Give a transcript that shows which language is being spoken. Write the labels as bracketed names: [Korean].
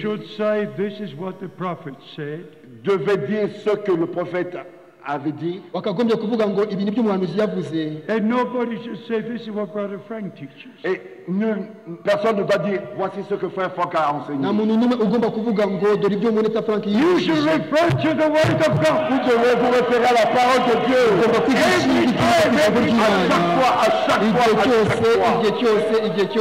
[English] should say this is what the prophet said. [French] Devait dire ce que le prophète avait dit. [English] And nobody should say this is what Brother Frank teaches. [French] Personne ne doit dire voici ce que frère Franck a enseigné. [English] You should refer to the word of God. [French] Vous devez vous référer à la parole de Dieu.